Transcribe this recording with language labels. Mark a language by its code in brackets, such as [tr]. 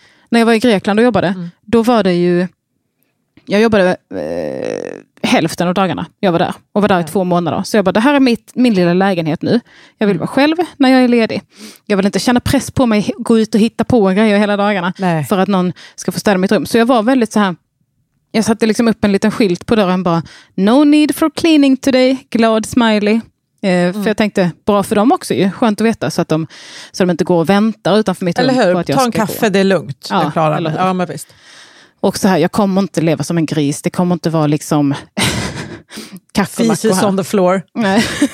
[sv] När jag var i Grekland och jobbade, då var det ju, jag jobbade hälften av dagarna jag var där. Och var där i 2 månader. Så jag bara, det här är min lilla lägenhet nu. Jag vill vara själv när jag är ledig. Jag vill inte känna press på mig att gå ut och hitta på grejer hela dagarna. Nej. För att någon ska få städa mitt rum. Så jag var väldigt så här, jag satte liksom upp en liten skylt på dörren. Bara, [en] no need for cleaning today. [sv] Glad smiley. För jag tänkte, bra för dem också ju. Skönt att veta så att de inte går och väntar utanför mitt eller rum. Eller hur, på att ta en kaffe, gå. Det är lugnt. Ja, det klarar eller hur? Ja, men visst. Och så här, jag kommer inte leva som en gris. Det kommer inte vara liksom kaffemackor här. [en] On the floor. [sv] Nej.